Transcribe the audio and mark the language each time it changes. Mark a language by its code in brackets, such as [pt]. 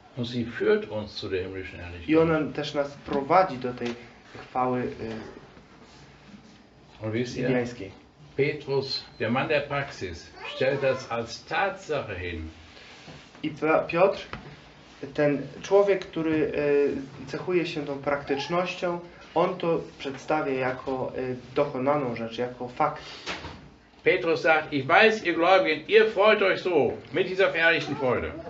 [de] Sie führt uns zu der himmlischen Herrlichkeit. [pl] I ona też nas prowadzi do tej chwały niebiańskiej. [de] Petrus, der Mann der Praxis, stellt das als Tatsache hin. [pl] I Piotr, ten człowiek, który cechuje się tą praktycznością, on to przedstawia jako dokonaną rzecz, jako fakt. [de] Petrus sagt: Ich weiß, ihr Gläubigen, ihr freut euch so mit dieser verherrlichten Freude.